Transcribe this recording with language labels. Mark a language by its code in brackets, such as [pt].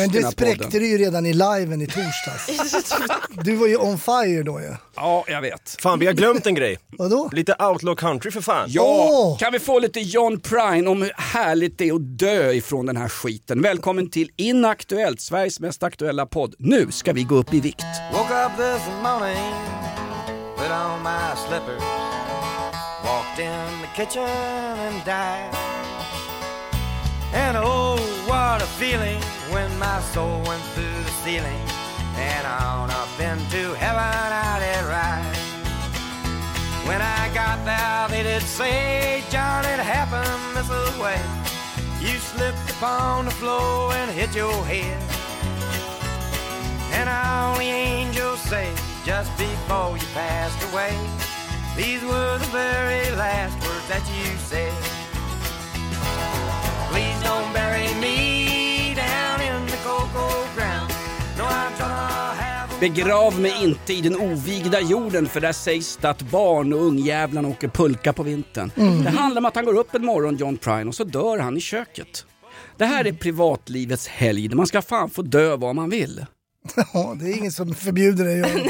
[sv] Men det spräckte du ju redan i liven i torsdags. Du var ju [en] on fire [sv] då ju. Ja, jag vet. Fan, vi har glömt en grej. Vadå? Lite Outlaw Country för fan. Ja, kan vi få lite John Prine om hur härligt det är att dö ifrån den här skiten. Välkommen till Inaktuellt, Sveriges mest aktuella podd. Nu ska vi gå upp i vikt. [en] Woke up this morning, put on my slippers, walked in the kitchen and died. And oh, what a feeling when my soul went through the ceiling and on up into heaven I did ride. When I got there, they did say, John, it happened this way. You slipped upon the floor and hit your head. And all the angels say, just before you passed away, these were the very last words that you said. Please don't bury me down in the cold ground. No, I'm gonna have a... [sv] Begrav mig inte i den ovigda jorden, för där sägs det att barn och ungjävlarna åker pulka på vintern. Mm. Det handlar om att han går upp en morgon, John Prine, och så dör han i köket. Det här är privatlivets helg. Man ska fan få dö vad man vill. Ja, det är ingen som förbjuder dig.